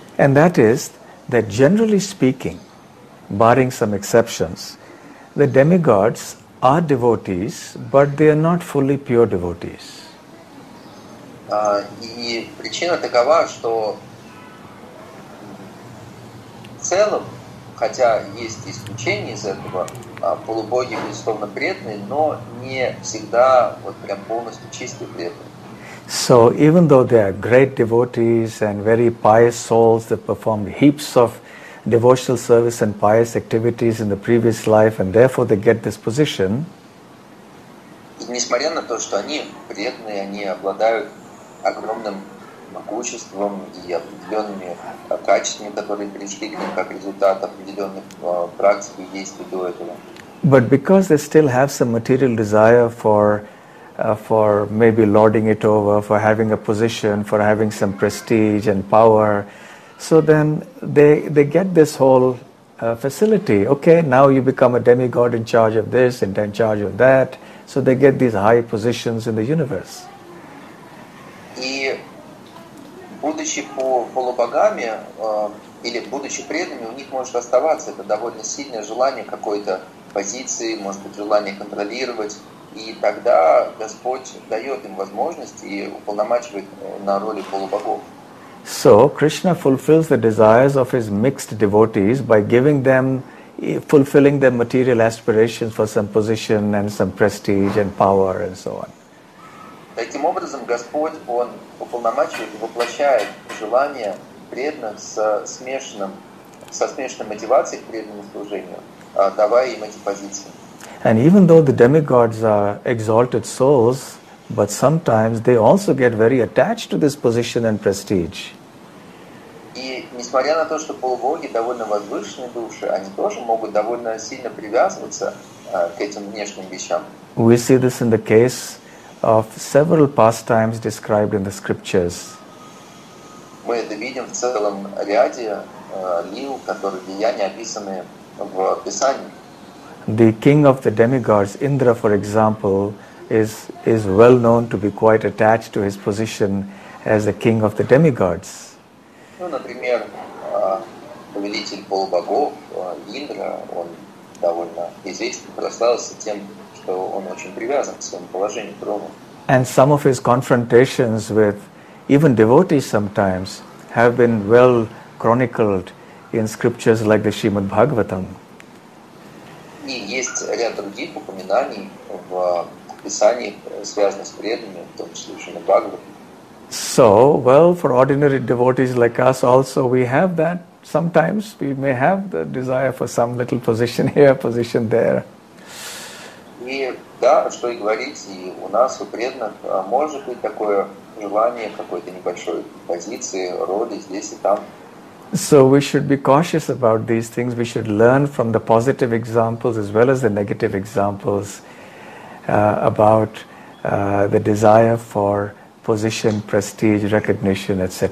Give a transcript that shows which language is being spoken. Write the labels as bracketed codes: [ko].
[en] And that is that generally speaking, barring some exceptions, the demigods are devotees, but they are not fully pure devotees. [ru] И причина такова, что в целом, хотя есть исключения из этого, полубоги безусловно преданные, но не всегда вот прям полностью чистые преданные. [en] So even though they are great devotees and very pious souls that performed heaps of devotional service and pious activities in the previous life and therefore they get this position, [ru] несмотря на то, что они преданные, они обладают огромным могуществом и определенными качествами, которые пришли к ним как результат определенных практик и действий до этого. [en] But because they still have some material desire for maybe lording it over, for having a position, for having some prestige and power, so then they get this whole facility. Okay, now you become a demigod in charge of this and in charge of that. So they get these high positions in the universe. [ru] И будучи полубогами или будучи преданными, у них может оставаться это довольно сильное желание какой-то позиции, может быть желание контролировать. И тогда Господь дает им возможность и уполномачивает на роли полубогов. [en] So Krishna fulfills the desires of his mixed devotees by giving them, fulfilling their material aspirations for some position and some prestige and power and so on. [ru] Таким образом, Господь, он уполномачивает и воплощает желания преданных со смешанной мотивацией к преданному служению, давая им эти позиции. [en] And even though the demigods are exalted souls, but sometimes they also get very attached to this position and prestige. [ru] И несмотря на то, что полубоги довольно возвышенные души, они тоже могут довольно сильно привязываться к этим внешним вещам. [en] We see this in the case of several pastimes described in the scriptures. [ru] Мы это видим в целом ряде лил, которые деяния описаны в Писании. [en] The king of the demigods, Indra, for example, is well known to be quite attached to his position as the king of the demigods. [ru] Ну, например, повелитель полубогов Индра, он довольно известен, прославился тем, что он очень привязан к своему положению трона. [en] And some of his confrontations with even devotees sometimes have been well chronicled in scriptures like the Srimad Bhagavatam. [ru] И есть ряд других упоминаний в Писании, связанных с преданными, в том числе Шримад Бхагаватам. [en] So, well, for ordinary devotees like us also, we have that sometimes. We may have the desire for some little position here, position there. [ru] И да, что и говорить, и у нас, у преданных, может быть такое желание какой-то небольшой позиции, роли здесь и там. [en] So we should be cautious about these things. We should learn from the positive examples as well as the negative examples about the desire for position, prestige, recognition, etc.